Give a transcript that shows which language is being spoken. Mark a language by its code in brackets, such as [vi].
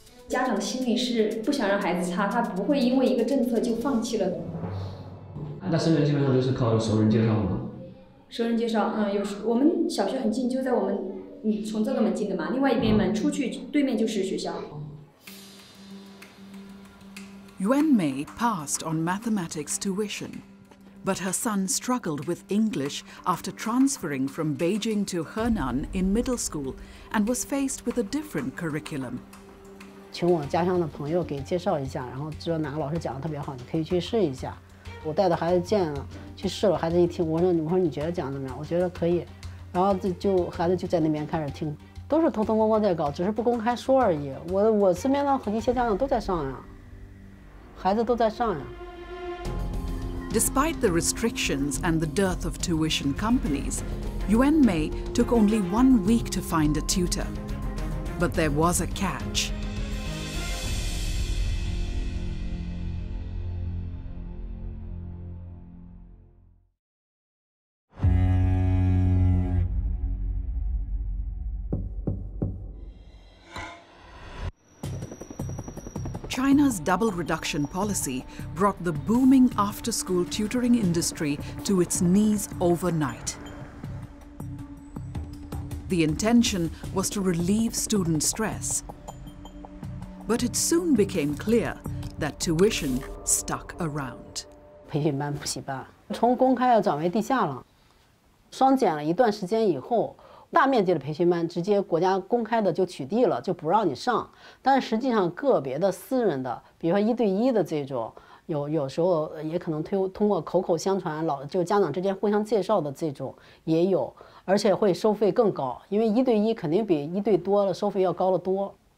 [zh] 家长的心理是不想让孩子差，他不会因为一个政策就放弃了。那生源基本上就是靠熟人介绍吗？熟人介绍，嗯，有时我们小学很近，就在我们，你从这个门进的嘛，另外一边门出去，对面就是学校。 [en] Yuan Mei passed on mathematics tuition, but her son struggled with English after transferring from Beijing to Henan in middle school, and was faced with a different curriculum. [zh] 请我家乡的朋友给介绍一下，然后知道哪个老师讲的特别好，你可以去试一下。我带着孩子见了，去试了。孩子一听，我说你觉得讲怎么样？我觉得可以。然后就孩子就在那边开始听，都是偷偷摸摸在搞，只是不公开说而已。我身边的一些家长都在上呀，孩子都在上呀。 [en] Despite the restrictions and the dearth of tuition companies, Yuan Mei took only 1 week to find a tutor. But there was a catch. China's double reduction policy brought the booming after-school tutoring industry to its knees overnight. The intention was to relieve student stress. But it soon became clear that tuition stuck around. [zh] 培训班补习班从公开转为地下了。双减了一段时间以后，大面积的培训班直接国家公开的就取缔了，就不让你上。但实际上个别的私人的，比如说一对一的这种，有时候也可能通过口口相传，就家长之间互相介绍的这种也有，而且会收费更高，因为一对一肯定比一对多的收费要高得多。